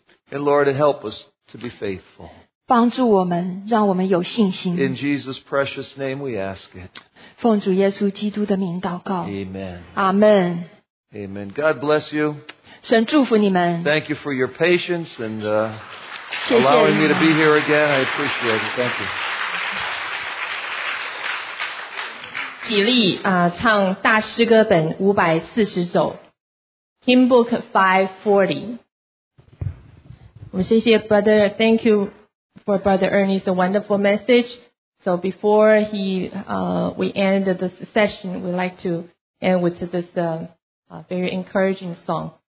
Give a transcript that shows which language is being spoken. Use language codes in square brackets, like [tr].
[en] And Lord, help us to be faithful. [zh] 帮助我们，让我们有信心。 [en] In Jesus' precious name we ask it. [zh] 奉主耶稣基督的名祷告。 [en] Amen. Amen. Amen. God bless you. [zh] 神祝福你们。 [en] Thank you for your patience and allowing me to be here again. I appreciate it. Thank you. [zh] 起立唱大诗歌本540首 [en] Hymn Book 540。 [zh] 我们谢谢 Brother. [en] Thank you for Brother Ernie's wonderful message. So before we end this session, we'd like to end with this very encouraging song.